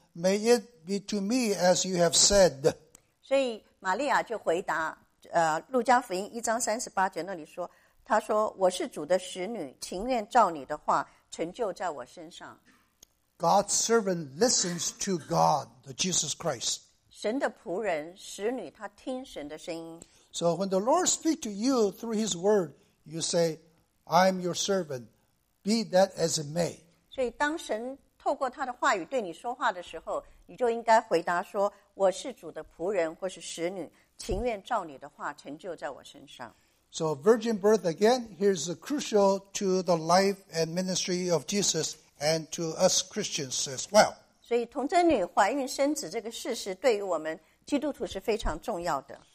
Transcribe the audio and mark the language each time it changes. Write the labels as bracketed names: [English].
[English] May it be to me as you have said. [Chinese] 所以玛利亚就回答，路加福音1:38那里说，她说，我是主的使女，情愿照你的话成就在我身上。 [English] God's servant listens to God, Jesus Christ. [Chinese] 神的仆人使女她听神的声音。 [English] So when the Lord speaks to you through his word, you say, I'm your servant, be that as it may. [Chinese] 所以当神透过他的话语对你说话的时候，你就应该回答说，我是主的仆人或是使女，情愿照你的话成就在我身上。 [English] So virgin birth again, here's crucial to the life and ministry of Jesus and to us Christians as well. [Chinese] 所以童贞女怀孕生子这个事实对于我们基督徒是非常重要的。